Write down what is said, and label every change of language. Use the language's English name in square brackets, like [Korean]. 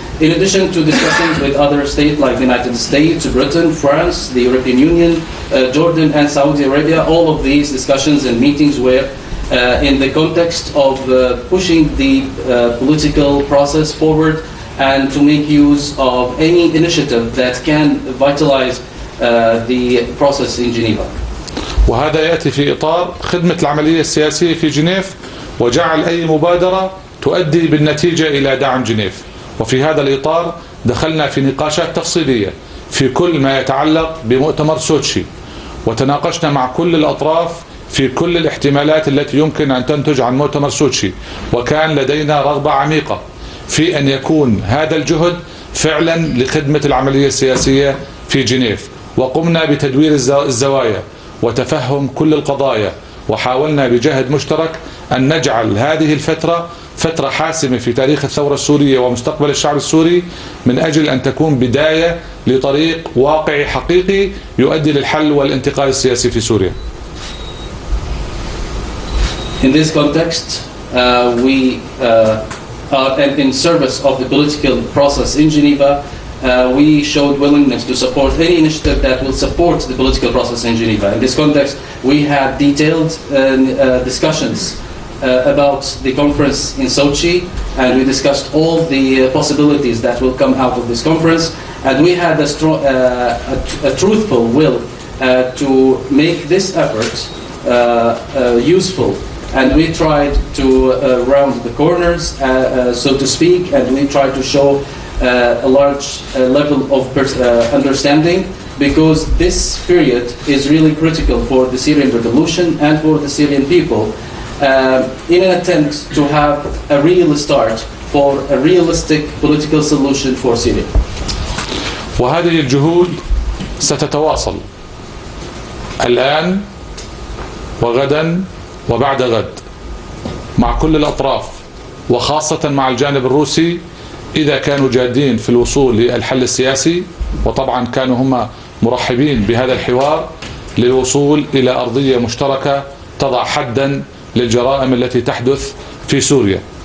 [English] In addition to discussions with other states like the United States, Britain, France, the European Union, Jordan and Saudi Arabia, all of these discussions and meetings were in the context of pushing the political process forward and to make use of any initiative that can vitalize the process in Geneva. [Arabic] وهذا يأتي في إطار خدمة العملية السياسية في جنيف وجعل أي مبادرة تؤدي بالنتيجة إلى دعم جنيف. وفي هذا الإطار دخلنا في نقاشات تفصيلية في كل ما يتعلق بمؤتمر سوتشي، وتناقشنا مع كل الأطراف في كل الاحتمالات التي يمكن أن تنتج عن مؤتمر سوتشي، وكان لدينا رغبة عميقة في أن يكون هذا الجهد فعلا لخدمة العملية السياسية في جنيف، وقمنا بتدوير الزوايا وتفهم كل القضايا، وحاولنا بجهد مشترك أن نجعل هذه الفترة فترة حاسمة في تاريخ الثورة السورية ومستقبل الشعب السوري، من أجل أن تكون بداية لطريق واقعي حقيقي يؤدي للحل والانتقال السياسي في سوريا. [English] In this context, we are in service of the political process in Geneva. We showed willingness to support any initiative that will support the political process in Geneva. In this context, we had detailed discussions about the conference in Sochi, and we discussed all the possibilities that will come out of this conference, and we had a strong, a truthful will to make this effort useful, and we tried to round the corners, so to speak, and we tried to show a large level of understanding, because this period is really critical for the Syrian revolution and for the Syrian people. In an attempt to have a real start for a realistic political solution for Syria. [Arabic] وهذه الجهود ستتواصل الآن وغدا وبعد غد مع كل الأطراف، وخاصة مع الجانب الروسي، إذا كانوا جادين في الوصول للحل السياسي، وطبعا كانوا هم مرحبين بهذا الحوار للوصول إلى أرضية مشتركة تضع حدا للجرائم التي تحدث في سوريا.